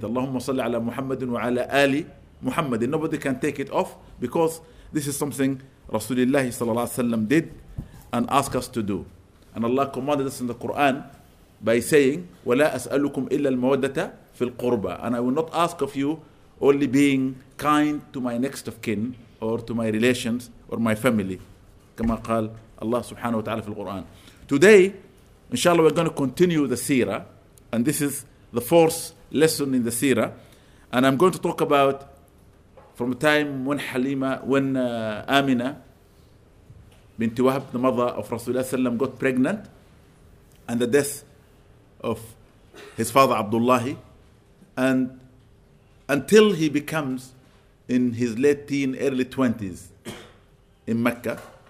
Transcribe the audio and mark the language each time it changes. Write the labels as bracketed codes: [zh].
[ar] Allahumma salli ala Muhammadin wa ala ali Muhammadin. [en] Nobody can take it off because this is something Rasulullah sallallahu alayhi wa sallam did and asked us to do. And Allah commanded us in the Quran by saying, [ar] وَلَا أَسْأَلُكُمْ إِلَّا الْمَوَدَّةَ فِي الْقُرْبَى. [en] And I will not ask of you only being kind to my next of kin or to my relations or my family. [ar] كما قال Allah subhanahu wa ta'ala في القرآن. [en] Today, inshallah, we're going to continue the seerah. And this is the fourth lesson in the seerah. And I'm going to talk about from the time when Halima, when Amina bint Wahb, the mother of Rasulullah ﷺ, got pregnant, and the death of his father Abdullah, and until he becomes in his late teen, early 20s in Mecca.